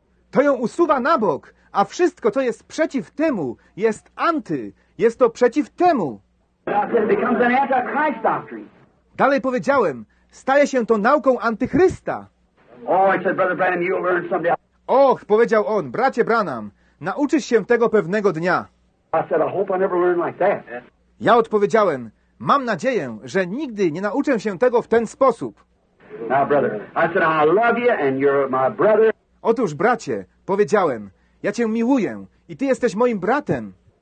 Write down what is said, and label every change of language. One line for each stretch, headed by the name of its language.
Polish: To ją usuwa na bok, a wszystko, co jest przeciw temu, jest anty, jest to przeciw temu.
English: It becomes an anti-Christ doctrine.
Polish: Dalej powiedziałem, staje się to nauką antychrysta.
English: Oh, I said, Brother Branham, you'll learn someday.
Polish: Och, powiedział on, bracie Branham, nauczysz się tego pewnego dnia.
English: I said, I hope I never learn like that.
Polish: Ja odpowiedziałem, mam nadzieję, że nigdy nie nauczę się tego w ten sposób.
English: Now, brother, I said, I love you and you're my brother.
Polish: Otóż, bracie, powiedziałem, ja cię miłuję i ty jesteś moim bratem.